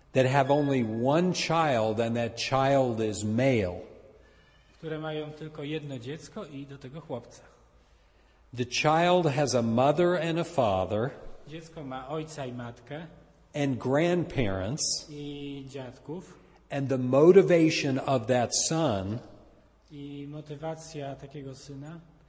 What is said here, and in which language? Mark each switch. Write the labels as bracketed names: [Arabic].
[English] That have only one child and that child is male. [Polish] Które mają tylko jedno dziecko i do tego chłopca. [English] The child has a mother and a father. [Polish] Dziecko ma ojca i matkę. [English] And grandparents. [Polish] I dziadków. [English] And the motivation of that son. [Polish] I motywacja takiego syna.